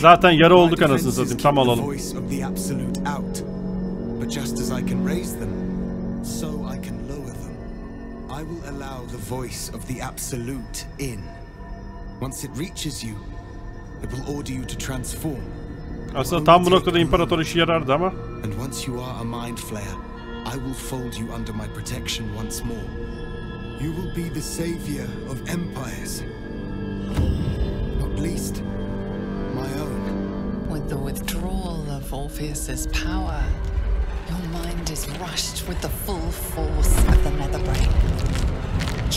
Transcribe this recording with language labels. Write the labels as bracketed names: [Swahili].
[Turkish] Zaten yara olduk anasını satayım. Tam alalım. [English] Voice of the absolute out. But just as I can raise them, so I can lower them. I will allow the voice of the absolute in. Once it reaches you, it will order you to transform. [Turkish] Aslında tam bu noktada imparator işe yarardı ama. [English] And once you are a mind flayer, I will fold you under my protection once more. You will be the savior of empires. Not least, my own. With the withdrawal of Orpheus's power, your mind is rushed with the full force of the Netherbrain.